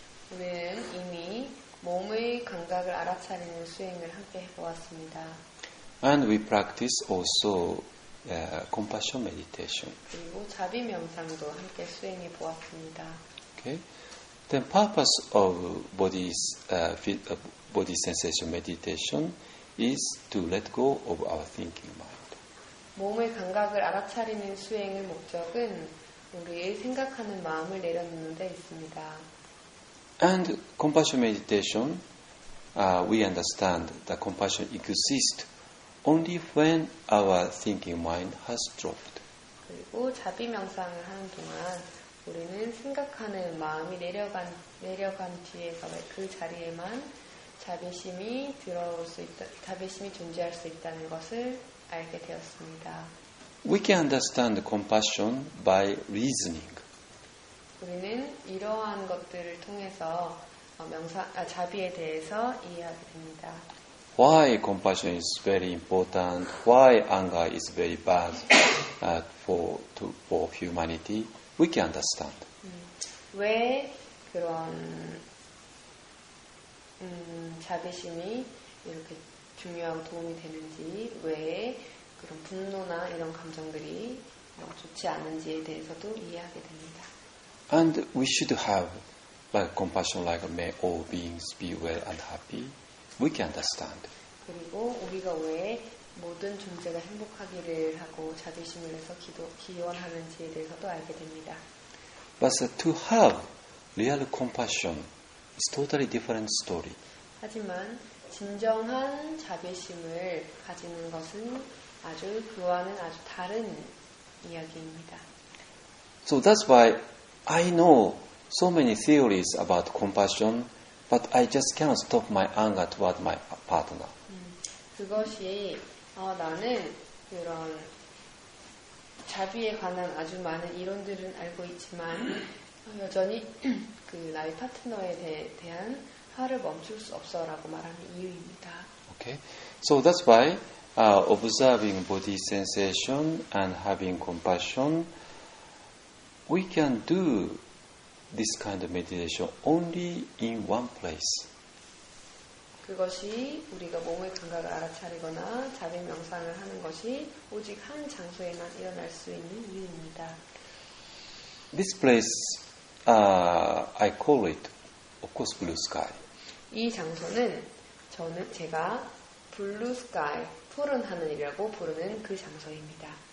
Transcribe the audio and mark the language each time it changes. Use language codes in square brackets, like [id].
[ko] 우리는 이미 몸의 감각을 알아차리는 수행을 함께 해보았습니다. [en] And we practice also compassion meditation. [ko] 그리고 자비 명상도 함께 수행해 보았습니다. [en] Okay. Then purpose of body sensation meditation is to let go of our thinking mind. [ko] 몸의 감각을 알아차리는 수행의 목적은 우리의 생각하는 마음을 내려놓는 데 있습니다. [en] And compassion meditation, we understand that compassion exists only when our thinking mind has dropped. [ko] 그리고 자비 명상을 하는 동안 우리는 생각하는 마음이 내려간 뒤에서 그 자리에만 자비심이 들어올 수 있다, 자비심이 존재할 수 있다는 것을 알게 되었습니다. [en] We can understand compassion by reasoning. [ko] 우리는 이러한 것들을 통해서 자비에 대해서 이해하게 됩니다. [en] Why compassion is very important? Why anger is very bad for humanity? We can understand. [ko] 왜 그런 자비심이 이렇게 중요한 도움이 되는지, 왜 그런 분노나 이런 감정들이 좋지 않은지에 대해서도 이해하게 됩니다. [en] And we should have like compassion, like may all beings be well and happy. We can understand. [ko] 그리고 우리가 왜 모든 존재가 행복하기를 하고 자비심을 해서 기원하는지에 대해서도 알게 됩니다. [en] But to have real compassion is totally different story. [ko] 하지만 진정한 자비심을 가지는 것은 아주 그와는 아주 다른 이야기입니다. [en] So that's why I know so many theories about compassion, but I just cannot stop my anger toward my partner. [ko] 그것이 나는 이런 자비에 관한 아주 많은 이론들은 알고 있지만 여전히 그 나의 파트너에 대한 화를 멈출 수 없어라고 말하는 이유입니다. [en] Okay. So that's why observing body sensation and having compassion, we can do this kind of meditation only in one place. [ko] 그것이 우리가 몸의 감각을 알아차리거나 자비 명상을 하는 것이 오직 한 장소에만 일어날 수 있는 이유입니다. [en] This place, I call it, of course, blue sky. [ko] 이 장소는 저는 제가 블루 스카이 푸른 하늘이라고 부르는 그 장소입니다.